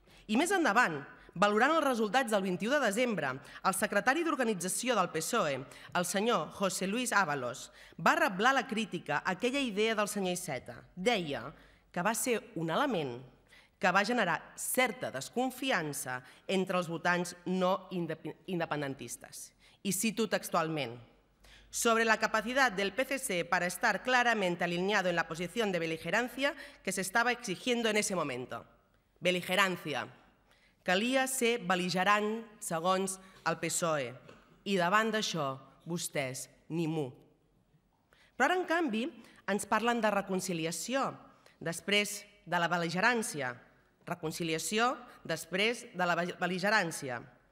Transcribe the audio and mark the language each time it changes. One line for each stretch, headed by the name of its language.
Catalan: I més endavant, valorant els resultats del 21 de desembre, el secretari d'organització del PSOE, el senyor José Luis Ábalos, va reblar la crítica a aquella idea del senyor Iceta. Deia que va ser un element que va generar certa desconfiança entre els votants no independentistes. I cito textualment:
Spanish: sobre la capacidad del PCC para estar claramente alineado en la posición de beligerancia que se estaba exigiendo en ese momento. Beligerancia.
Catalan: Calia ser beligerant, segons el PSOE. I davant d'això, vostès, ningú. Però ara, en canvi, ens parlen de reconciliació després de la beligerància. Reconciliació després de la beligerància.